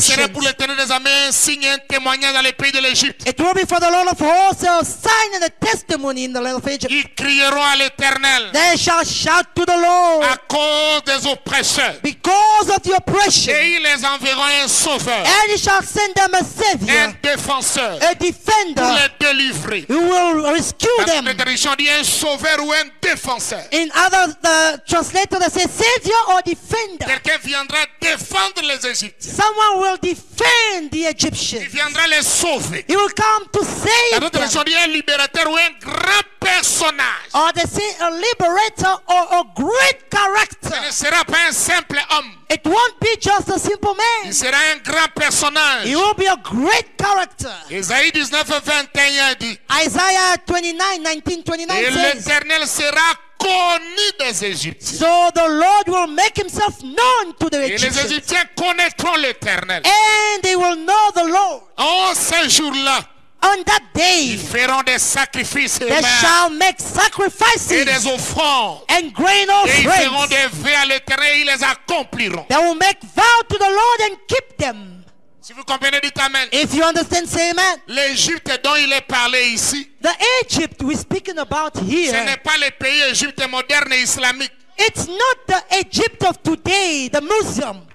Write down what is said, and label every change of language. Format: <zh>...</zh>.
<fr>Ce serait pour l'Éternel des armées un signe et un témoignage dans les pays de l'Égypte.</fr> <en>It will be for the Lord of hosts a sign and a testimony in the land of Egypt.</en> <fr>Ils crieront à l'Éternel.</fr> <en>They shall shout to the Lord.</en> <fr>À cause des oppresseurs.</fr> <en>Because of the oppression.</en> <fr>Et ils les enverront un sauveur.</fr> <en>And he shall send them a savior.</en> <fr>Un défenseur.</fr> <en>A defender.</en> <fr>Pour les délivrer.</fr> <en>Who will rescue</en> <fr>Parce</fr> <en>them.</en> <fr>Parce que les traductions disent un sauveur ou un défenseur.</fr> <en>In other the translator they say savior or defender.</en> <fr>Quelqu'un viendra défendre les Égyptiens.</fr> <en>Someone will defend the Egyptians.</en> <fr>Il viendra les sauver.</fr> <en>He will come to save them.</en> <fr>La traduction dit un libérateur ou un grand personnage.</fr> <en>Or they say a liberator or a great character.</en> <fr>Ce ne sera pas un simple homme.</fr> <en>It won't be just a simple man.</en> <fr>Il sera un grand personnage.</fr> <en>He will be a great character.</en> <fr>Isaïe 19:21 dit.</fr> <en>Isaiah 29:19-29 says.</en> <fr>Et l'Éternel sera connu des Égyptiens.</fr> <en>So the Lord will make himself known to the Egyptians.</en> <fr>Et les Égyptiens connaîtront l'Éternel.</fr> <en>And they will know the Lord.</en> <fr>En ce jour-là,</fr> <en>on that day,</en> <fr>ils feront des sacrifices.</fr> <en>They shall make sacrifices.</en> <fr>Et des offrandes.</fr> <en>And grain offerings.</en> <fr>Et ils feront des vœux à l'Éternel et ils les accompliront.</fr> <en>They will make vows to the Lord and keep them.</en> <fr>Si vous comprenez, dites amen.</fr> <en>If you understand, say amen.</en> <fr>L'Égypte dont il est parlé ici.</fr> <en>The Egypt we're speaking about here.</en> <fr>Ce n'est pas le pays Égypte moderne et islamique.</fr> <en>It's not the Egypt of today, the Muslim.</en>